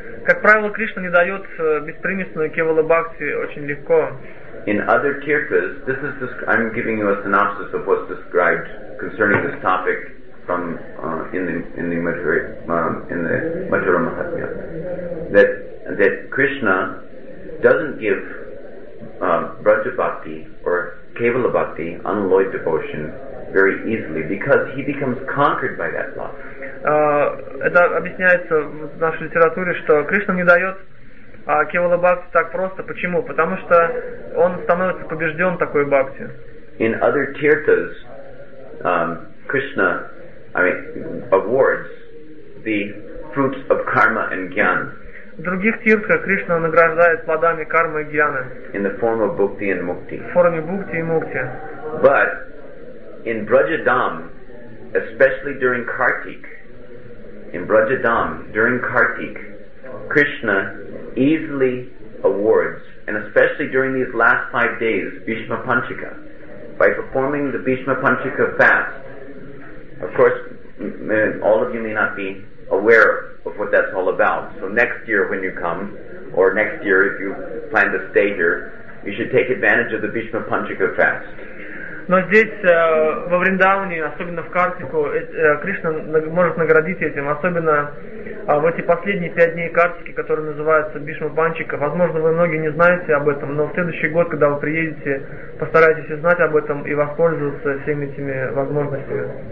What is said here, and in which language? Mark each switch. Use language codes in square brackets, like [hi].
[ru] Как правило, Кришна не дает беспримесную кевала бхакти очень легко. [en] In other tirthas, this is just, I'm giving you a synopsis of what's described concerning this topic from in the Madhura Mahatmya, that Krishna doesn't give braja bhakti or kevala bhakti, unalloyed devotion, very easily, because he becomes conquered by that love. [ru] Это объясняется в нашей литературе, что Кришна не дает кевала бхакти так просто. Почему? Потому что он становится побежден такой бхакти. [en] In other tirthas, Krishna, awards the fruits of karma and jnana. [ru] В других тирхах Кришна награждает плодами кармы и гьяны. [en] In the form of bhakti and mukti. [ru] В форме бхакти и мукти. [en] But in Brajadham, especially during Kartik, Krishna easily awards, and especially during these last 5 days, Bhishma Panchika. By performing the Bhishma Panchika fast, of course, all of you may not be aware of what that's all about. So next year when you come, or next year if you plan to stay here, you should take advantage of the Bhishma Panchika fast. [ru] Но здесь, во Вриндауне, особенно в Картику, Кришна может наградить этим, особенно в эти последние пять дней Картики, которые называются Бишма Панчика. Возможно, вы многие не знаете об этом, но в следующий год, когда вы приедете, постарайтесь узнать об этом и воспользоваться всеми этими возможностями.